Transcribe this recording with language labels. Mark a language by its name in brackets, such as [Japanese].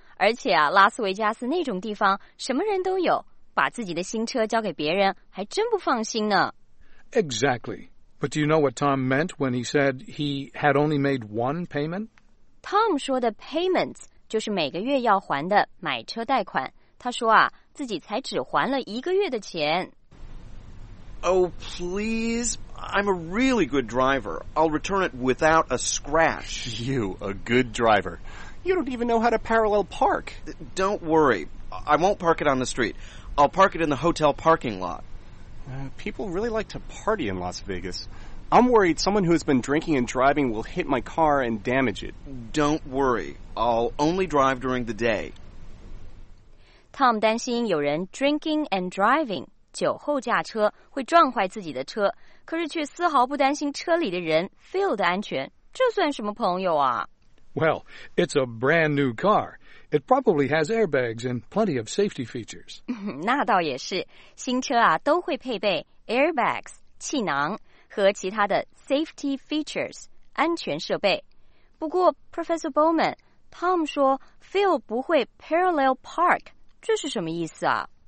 [Chinese] 而且啊拉斯维加斯那种地方什么人都有，把自己的新车交给别人还真不放心呢。 [English] Exactly. But do you know what Tom meant when he said he had only made one payment? [Chinese] Tom 说的 payments 就是每个月要还的买车贷款。他说啊自己才只还了一个月的钱。 [English] Oh, please. I'm a really good driver. I'll return it without a scratch. You, a good driver. You don't even know how to parallel park. Don't worry. I won't park it on the street. I'll park it in the hotel parking lot. People really like to party in Las Vegas. I'm worried someone who has been drinking and driving will hit my car and damage it. Don't worry. I'll only drive during the day. [Chinese] Tom 担心有人 [English] drinking and driving. [Chinese] 酒后驾车会撞坏自己的车，可是却丝毫不担心车里的人 Phil 的安全，这算什么朋友啊？ [English] Well, it's a brand new car. It probably has airbags and plenty of safety features. [Chinese] 那倒也是，新车啊都会配备 airbags 气囊和其他的 safety features 安全设备。不过 Professor Bowman, Tom 说 Phil 不会 parallel park， 这是什么意思啊？